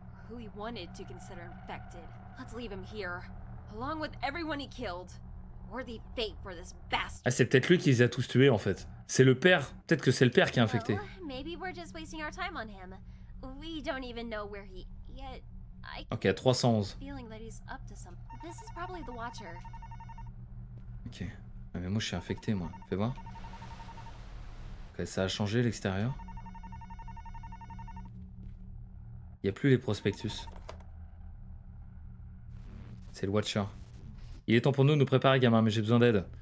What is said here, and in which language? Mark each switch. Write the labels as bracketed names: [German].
[English] Who he wanted to consider infected. Let's leave him here, along with everyone he killed. Worthy fate for this bastard. [French] Ah, c'est peut-être lui qui les a tous tués en fait. C'est le père. Peut-être que c'est le père qui est infecté. [English] Maybe we're just wasting our time on him. We don't even know where he yet. [French] Ok, 311. [English] Feeling that he's up to some. This is probably the Watcher. [French] Ok. Ah, mais moi, je suis infecté, moi. Fais voir. Ok, ça a changé l'extérieur. Il n'y a plus les prospectus. C'est le Watcher. Il est temps pour nous de nous préparer, gamin, mais j'ai besoin d'aide.